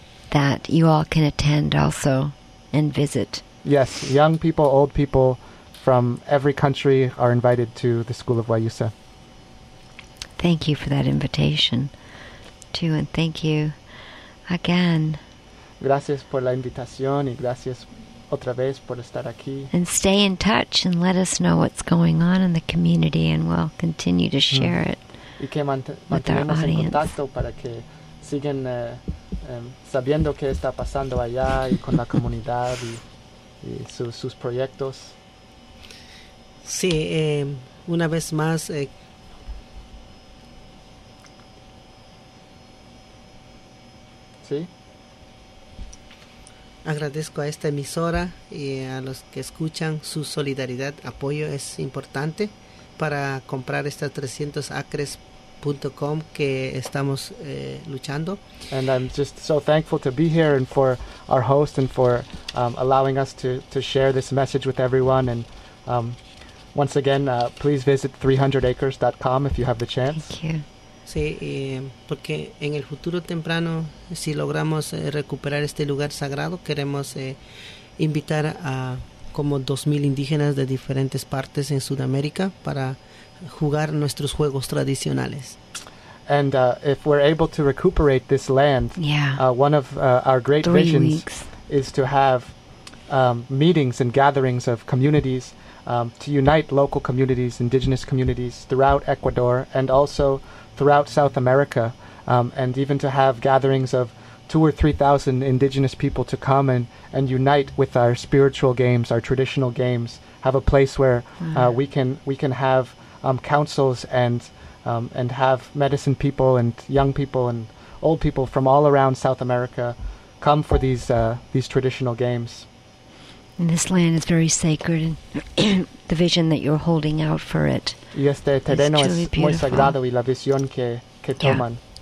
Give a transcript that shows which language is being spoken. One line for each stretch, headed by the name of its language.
English: That you all can attend also and visit. Yes, young people, old people from every country are invited to the School of Wayusa. Thank you for that invitation, too, and thank you again.
Spanish: Gracias por la invitación y gracias otra vez por estar aquí.
English: And stay in touch and let us know what's going on in the community, and we'll continue to share it
Spanish: y que
English: with our audience.
Spanish: En contacto para que sigan sabiendo qué está pasando allá y con la comunidad y sus proyectos. Sí, una vez más. Sí. Agradezco a esta emisora y a los que escuchan, su solidaridad, apoyo es importante para comprar esta 300acres.com que estamos luchando.
English: And I'm just so thankful to be here and for our host and for allowing us to share this message with everyone. And once again, please visit 300acres.com if you have the chance. Thank you.
Spanish: Sí, porque en el futuro temprano, si logramos recuperar este lugar sagrado, queremos invitar a como 2,000 indígenas de diferentes partes en Sudamérica para jugar nuestros juegos tradicionales.
English: And if we're able to recuperate this land, one of our great Three visions weeks. Is to have meetings and gatherings of communities to unite local communities, indigenous communities throughout Ecuador and also throughout South America, and even to have gatherings of 2,000 or 3,000 indigenous people to come and unite with our spiritual games, our traditional games, have a place where we can have councils and have medicine people and young people and old people from all around South America come for these traditional games. And this land is very sacred, and the vision that you're holding out for it.
Spanish: Y este terreno
English: is truly
Spanish: es muy sagrado y la visión que toman.